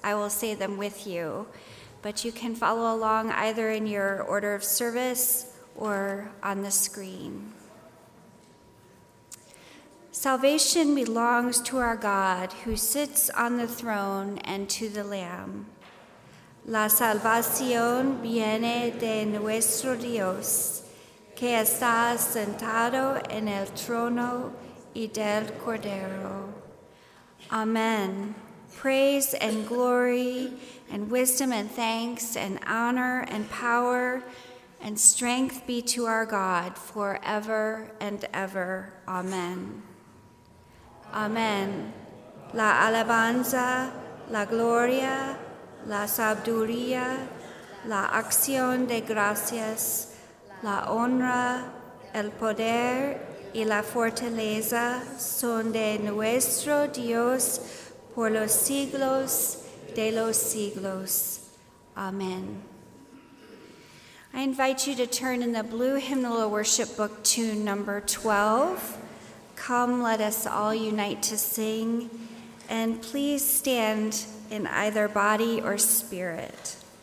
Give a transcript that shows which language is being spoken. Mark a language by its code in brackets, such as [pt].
[en] I will say them with you, but you can follow along either in your order of service or on the screen. Salvation belongs to our God who sits on the throne and to the Lamb. [es] La salvación viene de nuestro Dios, que está sentado en el trono y del Cordero. [en] Amen. Praise and glory and wisdom and thanks and honor and power and strength be to our God forever and ever. Amen. Amen. [es] La alabanza, la gloria, la sabiduría, la acción de gracias, la honra, el poder y la fortaleza son de nuestro Dios por los siglos de los siglos. [en] Amen. I invite you to turn in the blue hymnal of worship book to number 12. Come, let us all unite to sing, and please stand in either body or spirit.